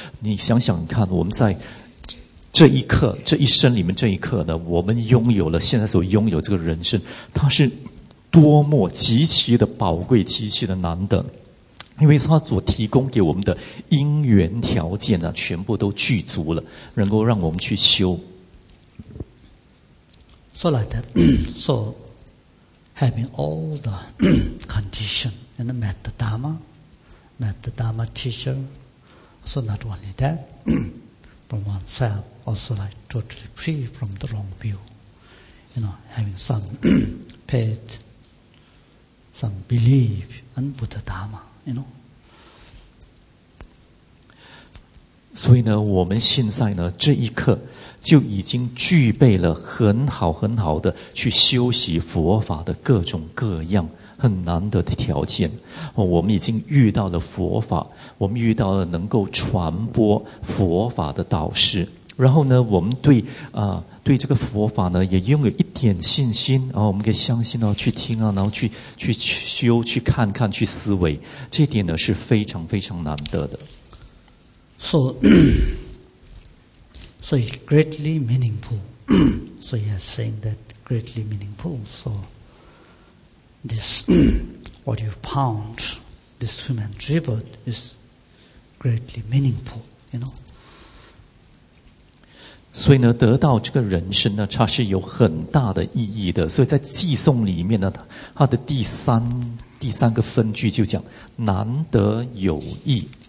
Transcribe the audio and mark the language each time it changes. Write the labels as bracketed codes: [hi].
[zh] 你想想看，我们在这一刻、这一生里面，这一刻呢，我们拥有了现在所拥有这个人生，它是多么极其的宝贵、极其的难得。因为他所提供给我们的因缘条件呢，全部都具足了，能够让我们去修。 [en] So like that, so having all the condition and met the Dharma, met the Dharma teacher, so not only that, from oneself also like totally free from the wrong view, you know, having some faith, some belief in Buddha Dharma. You know? [zh] 所以呢，我们现在呢，这一刻就已经具备了很好很好的去修习佛法的各种各样很难得的条件。我们已经遇到了佛法，我们遇到了能够传播佛法的导师。然后呢，我们对对这个佛法呢，也拥有一点信心啊，我们可以相信啊，去听啊，然后去修，去看看，去思维，这一点呢是非常非常难得的。 [en] So it's greatly meaningful. So you are saying that greatly meaningful. So this what you found, this human tribute is greatly meaningful. You know. [zh] 所以呢，得到这个人生呢，它是有很大的意义的。所以在偈颂里面呢，它的第三个分句就讲难得有意。